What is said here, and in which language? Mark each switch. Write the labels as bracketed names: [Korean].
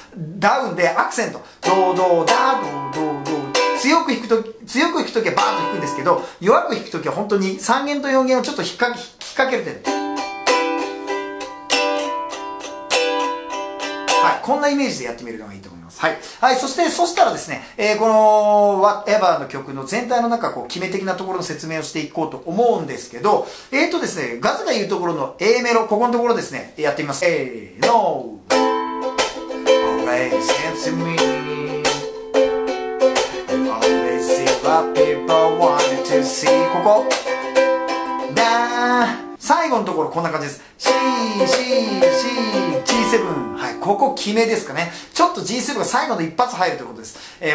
[Japanese] ダウンでアクセント、ドドダドドド、強く弾くときはバーッと弾くんですけど、弱く弾くときは本当に3弦と4弦をちょっと引っ掛けるって、はい、こんなイメージでやってみるのがいいと思います。はい。はい。そしたらですね、この、Whatever の曲の全体の中、こう、決め的なところの説明をしていこうと思うんですけど、ですね、ガズが言うところの A メロ、ここのところですね、やってみます。 [English] No! Always hits me. Always see what people want to see. [Japanese] ここ。なぁ。最後のところこんな感じです。 C、C、C、G7。 はい。ここ決めですかね。ちょっと G7 が最後の一発入るということです。